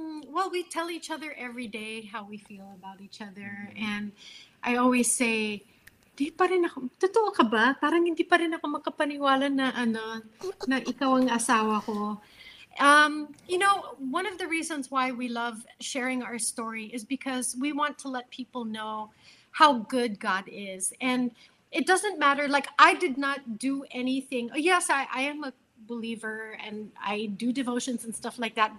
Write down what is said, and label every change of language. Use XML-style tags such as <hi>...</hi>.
<en>Well, we tell each other every day how we feel about each other. And I always say,</en> <tl>di pa rin ako, totoo ka ba? Parang hindi pa rin ako makapaniwala na, na ikaw ang asawa ko.</tl> <en>You know, one of the reasons why we love sharing our story is because we want to let people know how good God is. And it doesn't matter. Like, I did not do anything. Yes, I am a believer and I do devotions and stuff like that.</en>